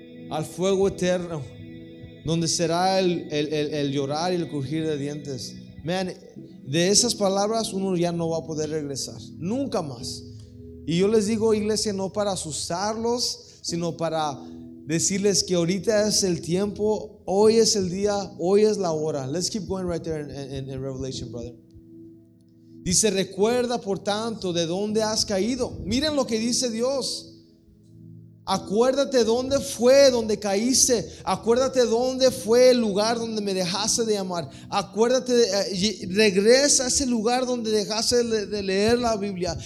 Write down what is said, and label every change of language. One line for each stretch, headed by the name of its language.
Spanish: Al fuego eterno, donde será el llorar y el crujir de dientes. Man, de esas palabras uno ya no va a poder regresar, nunca más. Y yo les digo, iglesia, no para asustarlos, sino para decirles que ahorita es el tiempo, hoy es el día, hoy es la hora.
English: Let's keep going right there in Revelation, brother.
Spanish: Dice, recuerda por tanto de dónde has caído. Miren lo que dice Dios. Acuérdate dónde fue donde caíste. Acuérdate dónde fue el lugar donde me dejaste de amar. Acuérdate, regresa a ese lugar donde dejaste de leer la Biblia.